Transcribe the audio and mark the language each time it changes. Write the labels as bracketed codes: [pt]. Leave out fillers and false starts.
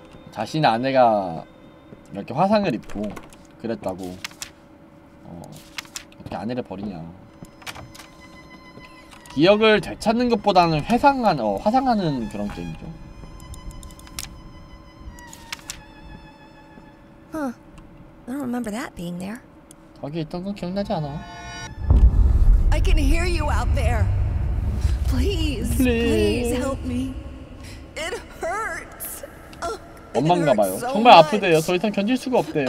[ko] 자신의 아내가 이렇게 화상을 입고 그랬다고 어떻게 아내를 버리냐. 기억을 되찾는 것보다는 화상하는 그런 게임이죠. [en] Huh. I don't remember that being there. [ko] 거기 있던 건 기억나지 않아. [en] I can hear you out there. Please, please help me. It hurts. [ko] 엄마인가 봐요. 정말 아프대요. 더 이상 견딜 수가 없대요.